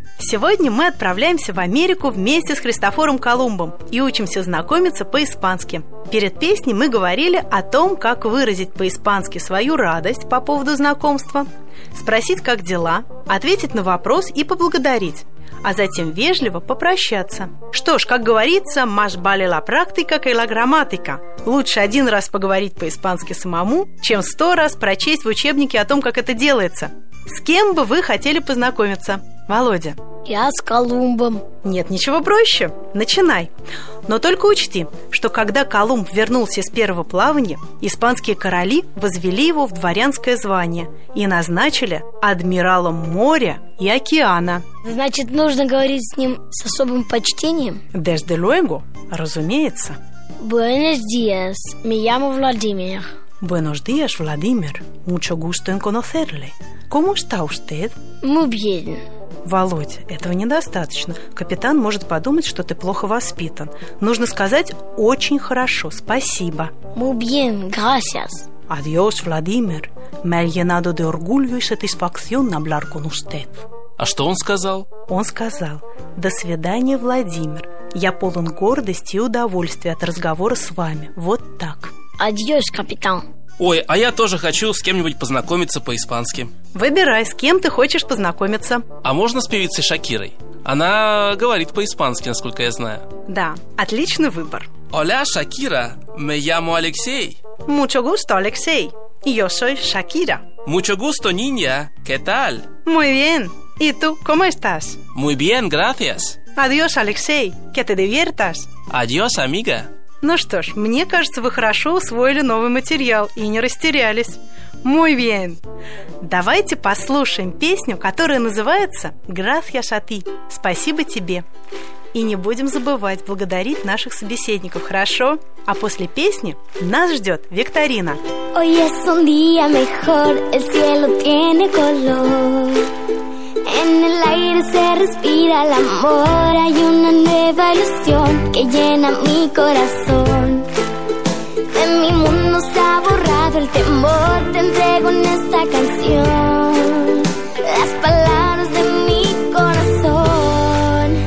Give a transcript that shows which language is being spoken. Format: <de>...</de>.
<ru>Сегодня мы отправляемся в Америку вместе с Христофором Колумбом и учимся знакомиться по-испански. Перед песней мы говорили о том, как выразить по-испански свою радость по поводу знакомства, спросить, как дела, ответить на вопрос и поблагодарить, а затем вежливо попрощаться. Что ж, как говорится,</ru> <es>«más vale la práctica que la gramática».</es> <ru>Лучше один раз поговорить по-испански самому, чем 100 раз прочесть в учебнике о том, как это делается. С кем бы вы хотели познакомиться? Володя. Я с Колумбом. Нет ничего проще. Начинай. Но только учти, что когда Колумб вернулся с первого плавания, испанские короли возвели его в дворянское звание и назначили адмиралом моря и океана. Значит, нужно говорить с ним с особым почтением?</ru> <es>Desde luego, разумеется. Buenos días, me llamo Владимир. Buenos días, Владимир. Mucho gusto en conocerle. ¿Cómo está usted? Muy bien.</es> <ru>Володь, этого недостаточно. Капитан может подумать, что ты плохо воспитан. Нужно сказать «очень хорошо», «спасибо».</ru> <es>Muy bien, gracias. Adiós, Владимир. Me llenado de orgullo y satisfacción hablar con usted.</es> <ru>А что он сказал? Он сказал «до свидания, Владимир. Я полон гордости и удовольствия от разговора с вами». Вот так.</ru> <es>Adiós, капитан.</es> <ru>Ой, а я тоже хочу с кем-нибудь познакомиться по-испански. Выбирай, с кем ты хочешь познакомиться. А можно с певицей Шакирой? Она говорит по-испански, насколько я знаю. Да, отличный выбор.</ru> <es>Оля, Шакира, me llamo Алексей. Mucho gusto, Алексей. Yo soy Шакира. Mucho gusto, niña. ¿Qué tal? Muy bien. ¿Y tú, cómo estás? Muy bien, gracias. Adiós, Алексей. Que te diviertas. Adiós, amiga.</es> <ru>Ну что ж, мне кажется, вы хорошо усвоили новый материал и не растерялись.</ru> <es>Muy bien.</es> <ru>Давайте послушаем песню, которая называется</ru> <es>«Gracias a ti»</es> <ru>– «Спасибо тебе». И не будем забывать благодарить наших собеседников, хорошо? А после песни нас ждет викторина.</ru> <es>Hoy es un día mejor, el cielo tiene color. En el aire se respira el amor, hay una nueva ilusión que llena mi corazón. De mi mundo se ha borrado el temor, te entrego en esta canción las palabras de mi corazón.</es>